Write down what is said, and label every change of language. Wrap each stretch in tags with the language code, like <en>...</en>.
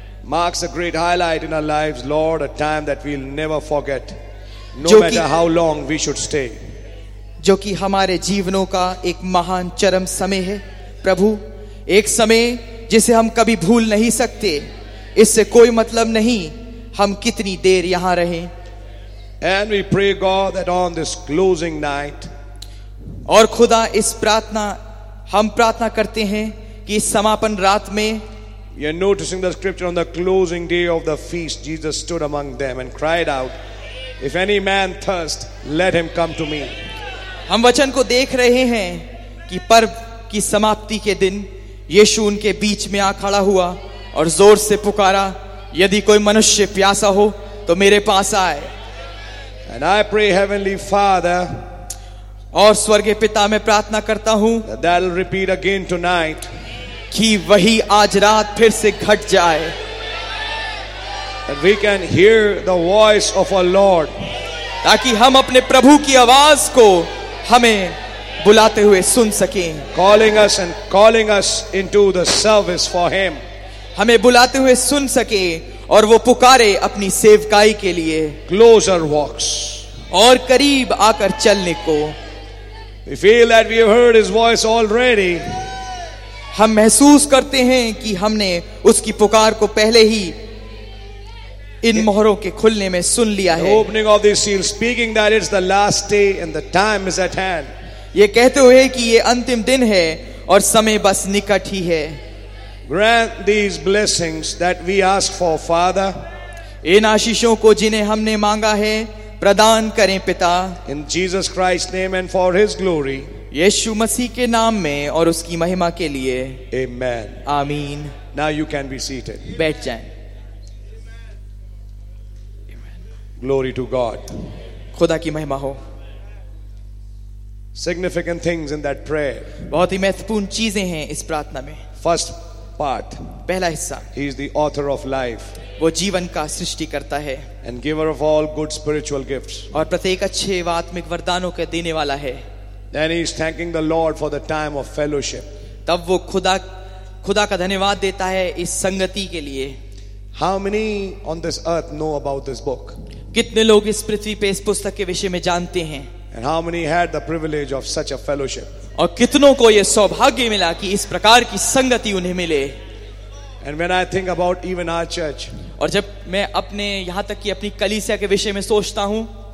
<en>Marks a great highlight in our lives, Lord, a time that we'll never forget, no matter how long we should stay.</en> <hi>जो कि हमारे जीवनों का एक महान चरम समय है प्रभु, एक समय जिसे हम कभी भूल नहीं सकते, इससे कोई मतलब नहीं हम कितनी देर यहां रहे।</hi> <en>And we pray God that on this closing night,</en> <hi>और खुदा इस प्रार्थना हम प्रार्थना करते हैं कि इस समापन रात में,</hi> <en>You are noticing the scripture on the closing day of the feast, Jesus stood among them and cried out, If any man thirst, let him come to me.</en> <hi>हम वचन को देख रहे हैं कि पर्व की समाप्ति के दिन यीशु उनके बीच में आ खड़ा हुआ और जोर से पुकारा, यदि कोई मनुष्य प्यासा हो तो मेरे पास आए।</hi> <en>And I pray Heavenly Father,</en> <hi>और स्वर्गीय पिता मैं प्रार्थना करता हूं,</hi> <en>that they'll repeat again tonight,</en> <hi>कि वही आज रात फिर से घट जाए।</hi> <en>And we can hear the voice of our Lord,</en> <hi>ताकि हम अपने प्रभु की आवाज को हमें बुलाते हुए सुन सकें।</hi> <en>Calling us and calling us into the service for Him,</en> <hi>हमें बुलाते हुए सुन सके और वो पुकारे अपनी सेवकाई के लिए।</hi> <en>Closer walks,</en> <hi>और करीब आकर चलने को।</hi> <en>We feel that we have heard His voice already,</en> <hi>हम महसूस करते हैं कि हमने उसकी पुकार को पहले ही इन मोहरों के खुलने में सुन लिया है।</hi> <en>Opening of this seal, speaking that it's the last day and the time is at hand,</en> <hi>ये कहते हुए कि ये अंतिम दिन है और समय बस निकट ही है।</hi> <en>Grant these blessings that we ask for, Father,</en> <hi>इन आशीषों को जिन्हें हमने मांगा है प्रदान करें पिता।</hi> <en>In Jesus Christ's name and for His glory,</en> <hi>यीशु मसीह के नाम में और उसकी महिमा के लिए।</hi> <en>Amen.</en> <hi>आमीन।</hi> <en>Now you can be seated.</en> <hi>बैठ जाएं।</hi> <en>Glory to God.</en> <hi>खुदा की महिमा हो।</hi> <en>Significant things in that prayer.</en> <hi>बहुत ही महत्वपूर्ण चीजें हैं इस प्रार्थना में।</hi> <en>First part.</en> <hi>पहला हिस्सा।</hi> <en>He is the author of life.</en> <hi>वो जीवन का सृष्टि करता है।</hi> <en>And giver of all good spiritual gifts.</en> <hi>और प्रत्येक अच्छे आत्मिक वरदानों के देने वाला है।</hi> <en>Then he is thanking the Lord for the time of fellowship.</en> <hi>तब वो खुदा का धन्यवाद देता है इस संगति के लिए।</hi> <en>How many on this earth know about this book?</en> <hi>कितने लोग इस पृथ्वी पे इस पुस्तक के विषय में जानते हैं?</hi> <en>And how many had the privilege of such a fellowship?</en> <hi>और कितनों को ये सौभाग्य मिला कि इस प्रकार की संगति उन्हें मिले?</hi> <en>And when I think about even our church,</en> <hi>और जब मैं अपने यहाँ तक कि अपनी कलीसिया के विषय में सोचता हूँ,</hi>